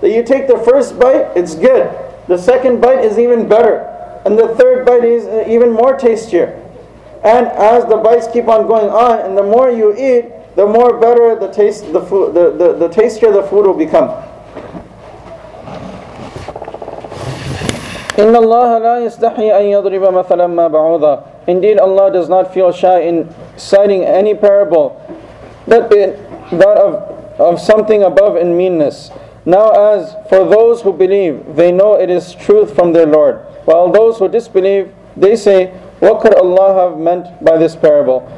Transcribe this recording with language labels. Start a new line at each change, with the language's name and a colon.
English: That you take the first bite, it's good. The second bite is even better. And the third bite is even more tastier. And as the bites keep on going on, and the more you eat, the more better the taste, the food, the tastier the food will become.
Arabic: إن الله لا يستحي أن يضرب مثلا ما بعوضة.
English: Indeed, Allah does not feel shy in citing any parable that of something above in meanness. Now, as for those who believe, they know it is truth from their Lord. While those who disbelieve, they say, what could Allah have meant by this parable?